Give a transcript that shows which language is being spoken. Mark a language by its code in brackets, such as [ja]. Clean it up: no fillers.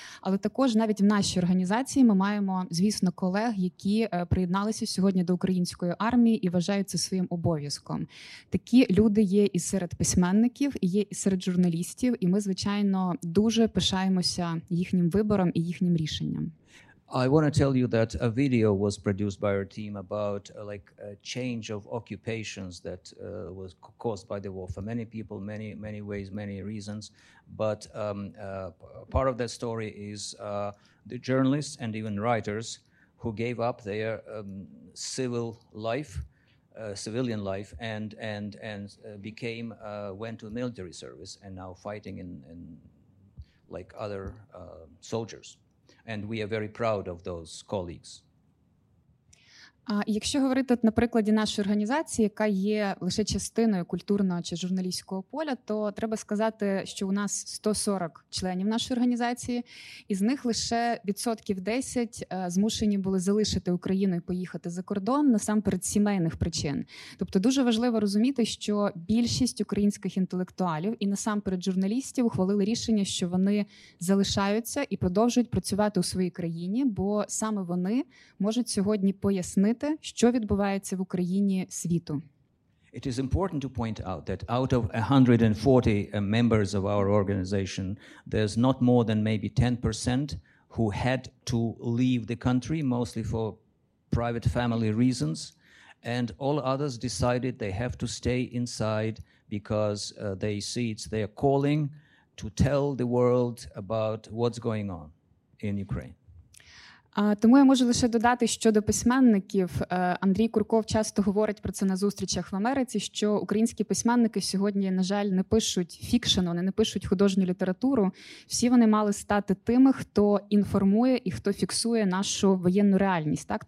[uk] Але також навіть в нашій організації ми маємо, звісно, колег, які приєдналися сьогодні до української армії і вважають це своїм обов'язком. Такі люди є і серед письменників, і є і серед журналістів, і ми, звичайно, дуже пишаємося їхнім вибором і їхнім рішенням. [en] I want to tell you that a video was produced by our team about like a change of occupations that was caused by the war for many people, many, many ways, many reasons. But part of that story is the journalists and even writers who gave up their civil life, civilian life, and became went to military service and now fighting in like other soldiers. And we are very proud of those colleagues. [uk] Якщо говорити, на прикладі нашої організації, яка є лише частиною культурного чи журналістського поля, то треба сказати, що у нас 140 членів нашої організації, і з них лише 10% змушені були залишити Україну і поїхати за кордон, насамперед сімейних причин. Тобто дуже важливо розуміти, що більшість українських інтелектуалів і насамперед журналістів ухвалили рішення, що вони залишаються і продовжують працювати у своїй країні, бо саме вони можуть сьогодні пояснити, що відбувається в Україні світу. [en] It is important to point out that out of 140 members of our organization, there's not more than maybe 10% who had to leave the country, mostly for private family reasons, and all others decided they have to stay inside because they see it's their calling to tell the world about what's going on in Ukraine. [uk] Тому я можу лише додати щодо письменників. Андрій Курков часто говорить про це на зустрічах в Америці, що українські письменники сьогодні, на жаль, не пишуть фікшн, вони не пишуть художню літературу. Всі вони мали стати тими, хто інформує і хто фіксує нашу воєнну реальність. Так?